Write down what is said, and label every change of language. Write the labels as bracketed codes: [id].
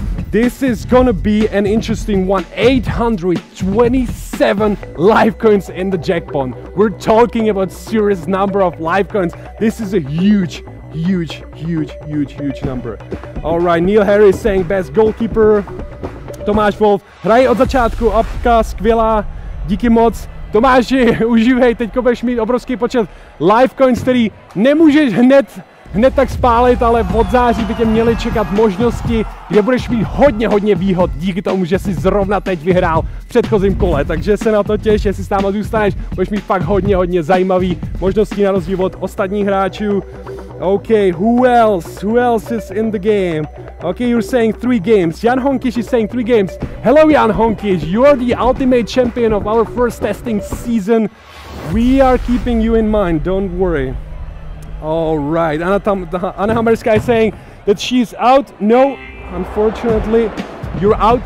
[en] This is gonna be an interesting one. 827 life coins in the jackpot. We're talking about serious number of life coins. This is a huge, huge, huge, huge, huge number. All right, Neil Harris saying best goalkeeper. [cs] Tomáš Wolf, hraj od začátku, apka skvělá, díky moc. Tomáši, užívej, teďko budeš mít obrovský počet life coins, který nemůžeš hned tak spálit, ale od září by tě měly čekat možnosti, kde budeš mít hodně, hodně výhod díky tomu, že jsi zrovna teď vyhrál v předchozím kole. Takže se na to těš, jestli s náma zůstaneš, budeš mít fakt hodně, hodně zajímavý možnosti na rozdíl od ostatních hráčů. [en] OK, who else is in the game? Okay, you're saying three games. Jan Honkisch is saying three games. Hello, Jan Honkisch. You are the ultimate champion of our first testing season. We are keeping you in mind. Don't worry. All right. Anna Hammerska is saying that she's out. No, unfortunately, you're out.